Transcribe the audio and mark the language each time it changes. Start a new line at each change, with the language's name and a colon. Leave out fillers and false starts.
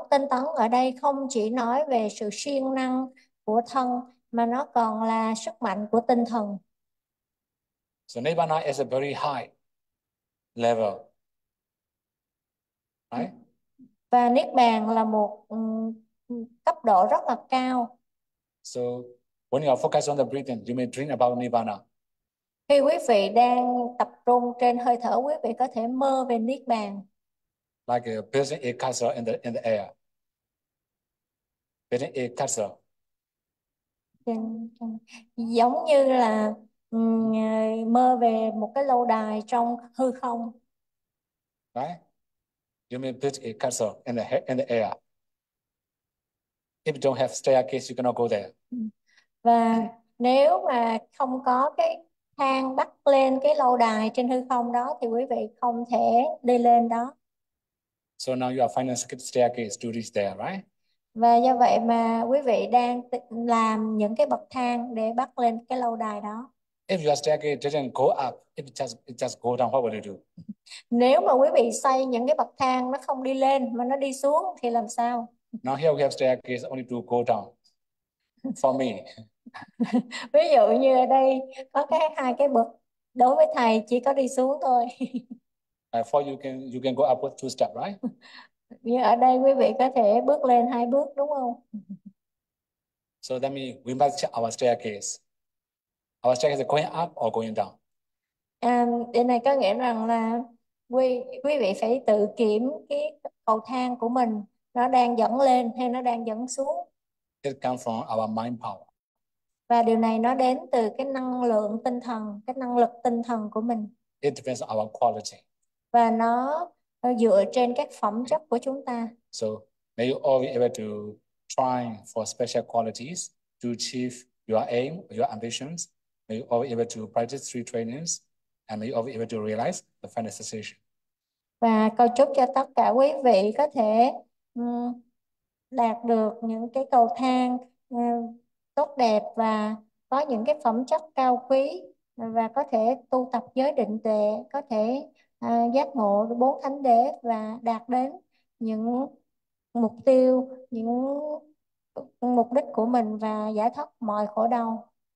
Vietnamese: Tinh tấn ở đây không chỉ nói về sự siêng năng của thân, mà nó còn là sức mạnh của tinh thần.
English: So Nibbana is a very high level, right?
Vietnamese: Và Niết Bàn là một cấp độ rất là cao.
English: So when you are focused on the breathing, you may dream about Nibbana.
Vietnamese: Khi quý vị đang tập trung trên hơi thở, quý vị có thể mơ về Niết Bàn.
English: Like building a castle in the air. Building a castle.
Vietnamese: Giống như là mơ về một cái lâu đài trong hư không.
English: Right? You may build a castle in the air. If you don't have staircase, you cannot go there.
Vietnamese: Và nếu mà không có cái thang bắt lên cái lâu đài trên hư không đó thì quý vị không thể đi lên đó.
English: So now you are finding a secret staircase to reach there, right?
Vietnamese: Và do vậy mà quý vị đang làm những cái bậc thang để bắt lên cái lâu đài đó.
English: If your staircase didn't go up, it just go down, what would you do?
Vietnamese: Nếu mà quý vị xây những cái bậc thang nó không đi lên mà nó đi xuống thì làm sao?
English: Now here we have staircase only to go down.
Vietnamese: Ví
English: For me.
Vietnamese: dụ như ở đây có cái hai cái bậc, đối với thầy chỉ có đi xuống
English: For you can go up with two step, right?
Vietnamese: thôi. Như ở đây quý vị có thể bước lên hai bước đúng không?
English: So that means we must check our staircase. Our staircase is going up or going down?
Vietnamese: Điều này có nghĩa rằng là quý vị phải tự kiểm cái cầu thang của mình nó đang dẫn lên hay nó đang dẫn xuống.
English: It comes from our mind power.
Vietnamese: Và điều này nó đến từ cái năng lượng tinh thần, cái năng lực tinh thần của mình.
English: It depends on our quality.
Vietnamese: Và nó dựa trên các phẩm chất của chúng ta.
English: So, may you all be able to try for special qualities to achieve your aim, your ambitions. May you all be able to practice three trainings, and may you all be able to realize the final decision.
Vietnamese: Và cầu chúc cho tất cả quý vị có thể đạt được những cái cầu thang tốt đẹp và có những cái phẩm chất cao quý và có thể tu tập giới định tuệ, có thể giác ngộ được bốn thánh đế và đạt đến những mục tiêu, những mục đích của mình và giải thoát mọi khổ đau.